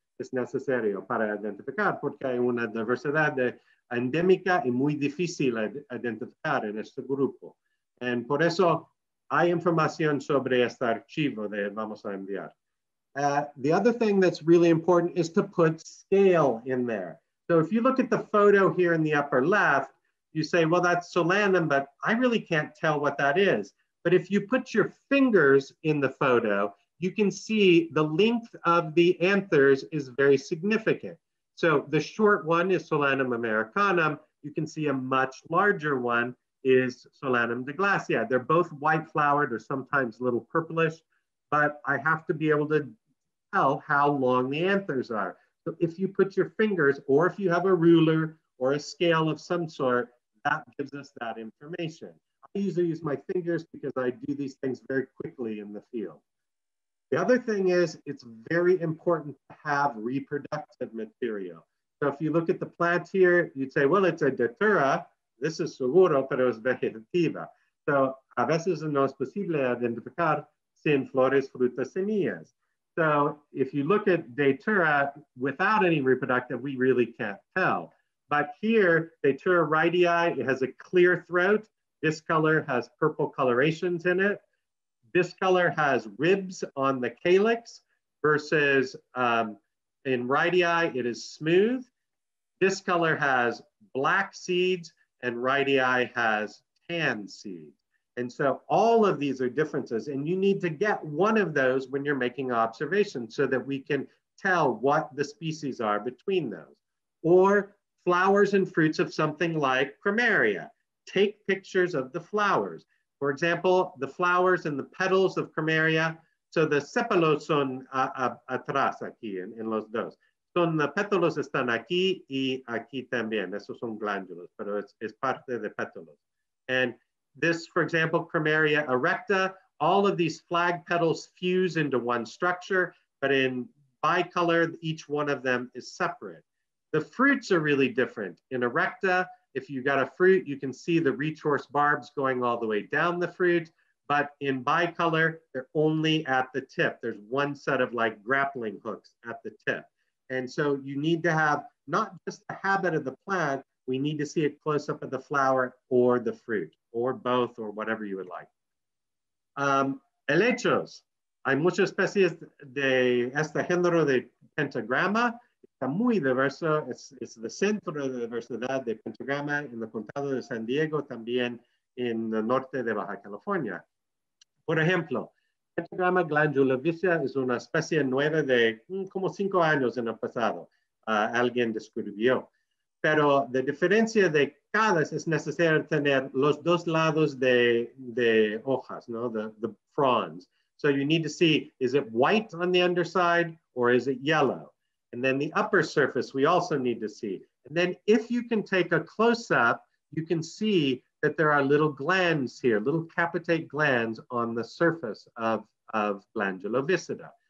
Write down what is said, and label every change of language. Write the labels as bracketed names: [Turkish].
[Spanish] es necesario para identificar, porque hay una diversidad de endémica y muy difícil de identificar en este grupo. Y por eso hay información sobre este archivo que vamos a enviar. [English] The other thing that's really important is to put scale in there. So if you look at the photo here in the upper left, you say, well, that's solanum, but I really can't tell what that is. But if you put your fingers in the photo, you can see the length of the anthers is very significant. So the short one is Solanum americanum. You can see a much larger one is Solanum de Glacia. They're both white flowered or sometimes a little purplish, but I have to be able to tell how long the anthers are. So if you put your fingers, or if you have a ruler or a scale of some sort, that gives us that information. I usually use my fingers because I do these things very quickly in the field. The other thing is it's very important to have reproductive material. So if you look at the plant here, you'd say, well, it's a datura. This is [Spanish] seguro, pero es vegetativa. So a veces no es posible identificar sin flores, frutas, semillas. [English] So if you look at datura without any reproductive, we really can't tell. But here, datura ridei, it has a clear throat. This color has purple colorations in it. This color has ribs on the calyx versus in ridei, it is smooth. This color has black seeds and ridei has tan seeds. And so all of these are differences, and you need to get one of those when you're making observations so that we can tell what the species are between those. Or flowers and fruits of something like cromeria. Take pictures of the flowers. For example, the flowers and the petals of cromeria. So the [Spanish] sépalos son atrás aquí en los dos. Son los pétalos están aquí y aquí también. Esos son glándulos, pero es parte de pétalos. [English] And this, for example, cromeria erecta, all of these flag petals fuse into one structure, but in bicolor, each one of them is separate. The fruits are really different. In erecta, if you got a fruit, you can see the retorse barbs going all the way down the fruit, but in bicolor, they're only at the tip. There's one set of like grappling hooks at the tip. And so you need to have not just the habit of the plant, we need to see a close-up of the flower or the fruit, or both, or whatever you would like. [Spanish] Helechos. Hay muchas especies de este género de pentagrama. Está muy diverso. Es el centro de diversidad de pentagrama en el condado de San Diego, también en el norte de Baja California. Por ejemplo, pentagrama glandulovicea es una especie nueva de como 5 años en el pasado. Alguien describió. Pero la diferencia de cada es necesario tener los dos lados de hojas, ¿no? [English] The fronds. So you need to see, is it white on the underside or is it yellow? And then the upper surface, we also need to see. And then if you can take a close up, you can see that there are little glands here, little capitate glands on the surface of glandula viscida.